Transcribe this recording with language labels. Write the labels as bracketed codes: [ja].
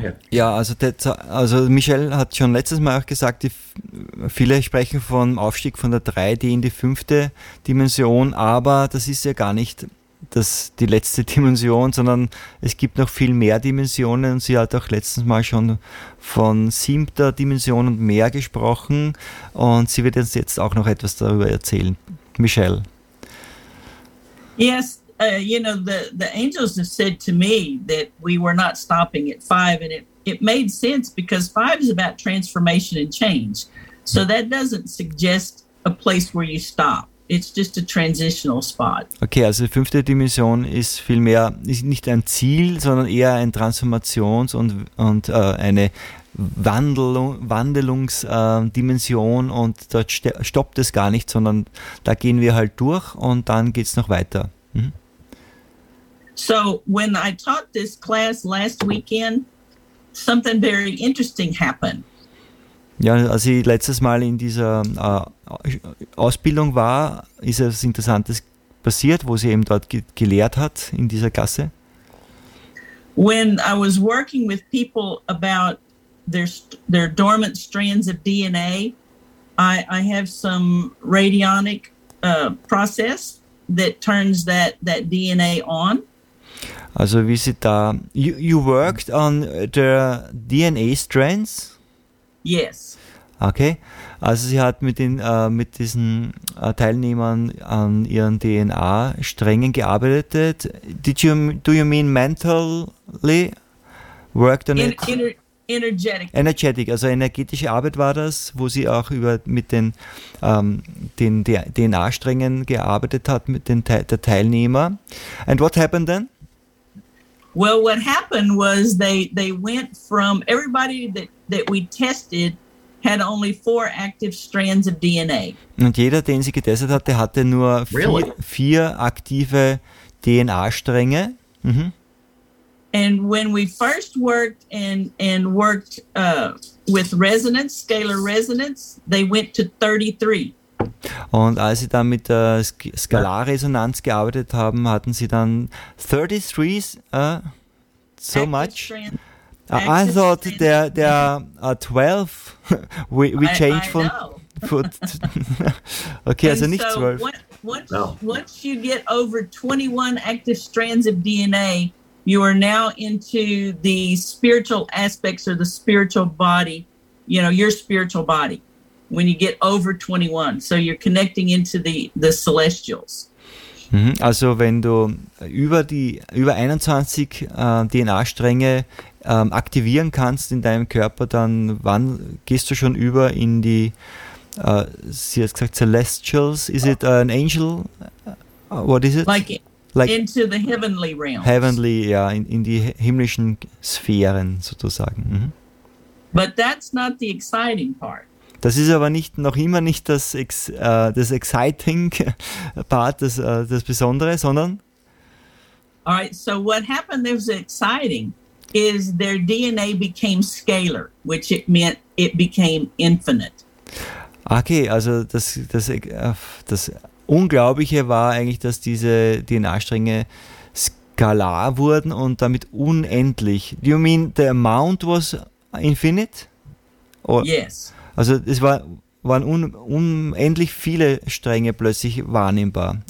[de] Ja, also Michel hat schon letztes Mal auch gesagt, viele sprechen vom Aufstieg von der 3D in die fünfte Dimension, aber das ist ja gar nicht die letzte Dimension, sondern es gibt noch viel mehr Dimensionen. Sie hat auch letztes Mal schon von siebter Dimension und mehr gesprochen und sie wird uns jetzt auch noch etwas darüber erzählen. Michel. [en] Yes, you know, the angels have said to me that we were not stopping at five, and it made sense because five is about transformation and change. So that doesn't suggest a place where you stop. It's just a transitional spot. [de] Okay, also die fünfte Dimension ist nicht ein Ziel, sondern eher ein Transformations- und eine Wandelungsdimension und dort stoppt es gar nicht, sondern da gehen wir halt durch und dann geht es noch weiter. [en] So when I taught this class last weekend, something very interesting happened. [de] Ja, als ich letztes Mal in dieser Ausbildung war, ist etwas Interessantes passiert, wo sie eben dort gelehrt hat in dieser Klasse. [en] When I was working with people about their dormant strands of DNA, I have some radionic process that turns that DNA on. [de] Also wie sie da, [en] you worked on the DNA strands? Yes. [de] Okay, also sie hat mit diesen Teilnehmern an ihren DNA-Strängen gearbeitet. [en] Do you mean mentally worked on it? Energetic, [de] also energetische Arbeit war das, wo sie auch mit den DNA-Strängen gearbeitet hat mit den der Teilnehmer. [en] And what happened then? Well, what happened was they went from everybody that we tested had only four active strands of DNA. [de] Und jeder, den sie getestet hatte, hatte nur vier aktive DNA-Stränge. Mhm. [en] And when we first worked and worked with resonance, scalar resonance, they went to 33. [de] Und als sie dann mit der Skalarresonanz gearbeitet haben, hatten sie dann 33 so [en] active much. Strength. I thought there are 12. We changed from foot. Okay, and [de] also nicht 12. [en] Once you get over 21 active strands of DNA, you are now into the spiritual aspects or the spiritual body, you know, your spiritual body, when you get over 21. So you're connecting into the celestials. [de] Also wenn du über 21 DNA-Stränge aktivieren kannst in deinem Körper, dann gehst du schon über in die, sie hat gesagt, celestials. [en] Is it an angel? What is it? Like into the heavenly realms. [de] Heavenly, ja, in die himmlischen Sphären sozusagen. Mhm. [en] But that's not the exciting part. [de] Das ist aber noch immer nicht das [en] exciting part, [de] das Besondere, sondern. [en] All right, so what happened that was exciting is their DNA became scalar, which it meant it became infinite. [de] Okay, also das Unglaubliche war eigentlich, dass diese DNA-Stränge skalar wurden und damit unendlich. [en] Do you mean the amount was infinite? Or, yes. [de] Also es waren unendlich viele Stränge plötzlich wahrnehmbar.